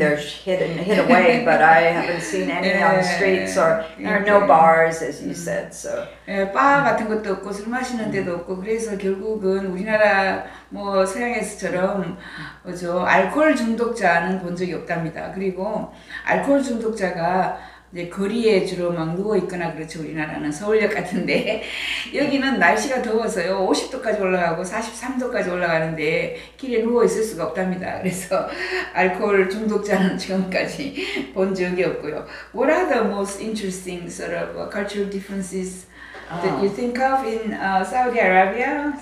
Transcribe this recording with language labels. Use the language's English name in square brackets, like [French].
[English] they're hid away, but I haven't seen any on the streets or there are no bars, as you said. So. [Korean] 예, 바 같은 것도 없고 술 마시는 데도 없고 그래서 결국은 우리나라 뭐 서양에서처럼 저 알코올 중독자는 본 적이 없답니다. 그리고 알코올 중독자가 이제 거리에 주로 막 누워 있거나 그렇죠. 우리나라는 서울역 같은데 여기는 날씨가 더워서요. 50도까지 올라가고 43도까지 올라가는데 길에 누워 있을 수가 없답니다. 그래서 알코올 중독자는 지금까지 본 적이 없고요. [English] What are the most interesting sort of cultural differences that you think of in Saudi Arabia?